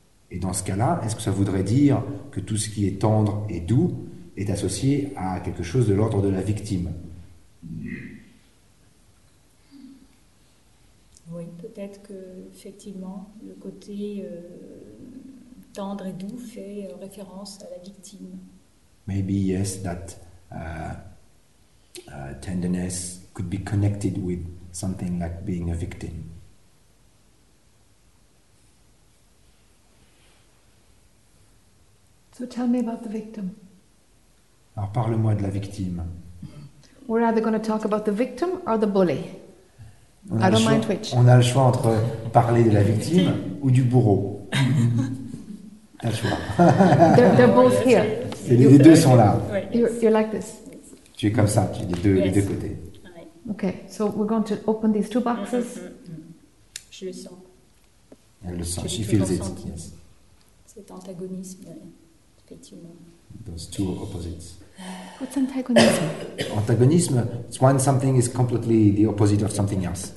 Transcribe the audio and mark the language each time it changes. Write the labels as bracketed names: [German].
[French] Et dans ce cas-là, est-ce que ça voudrait dire que tout ce qui est tendre et doux est associé à quelque chose de l'ordre de la victime? Oui, peut-être que effectivement, le côté tendre et doux fait référence à la victime. [English] Maybe yes, that. Tenderness could be connected with something like being a victim. So tell me about the victim. [French] Alors parle-moi de la victime. [English] We're either going to talk about the victim or the bully. [French] On a [English] I don't mind which. [French] On a le choix entre parler de la victime ou du bourreau. T'as le choix. [English] They're both here. [French] C'est, les deux sont là. [English] You're like this. [French] Tu es comme ça, tu es les deux côtés. [English] Ok, so we're going to open these two boxes. [French] Je le sens. Elle le sent, [English] she feels it. Yes. [French] Cet antagonisme, effectivement. [English] Those two opposites. What's antagonism? Antagonisme, it's when something is completely the opposite of something else.